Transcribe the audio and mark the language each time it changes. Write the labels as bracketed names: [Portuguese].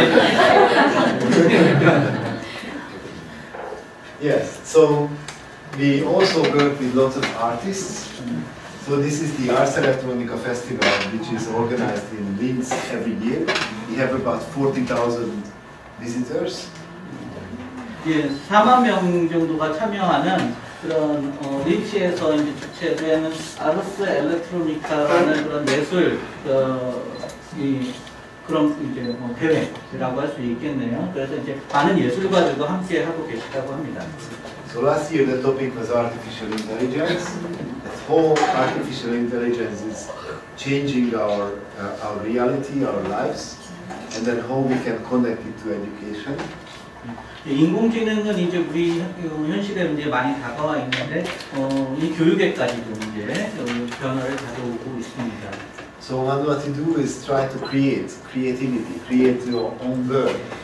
[English] 지오지브라. So steam education. Yes. So we also work with lots of artists. So this is the Ars Electronica Festival, which is organized in Linz every year. We have about 40,000 visitors. [Korean] Yes, 4만 명 정도가 참여하는 그런 린치에서 이제 주최된 아르스 엘렉트로니카라는 그런 예술 이 그런 이제 뭐 대회라고 할 수 있겠네요. 그래서 이제 많은 예술가들도 함께 하고 계시다고 합니다. [English] So last year the topic was artificial intelligence. The whole artificial intelligence is changing our reality, our lives, and then how we can connect it to education. [Korean] 인공지능은 이제 우리 현실에 이제 많이 다가와 있는데 이 교육에까지도 이제 변화를 가져오고 있습니다. [English] So what we do is try to create creativity, create your own world.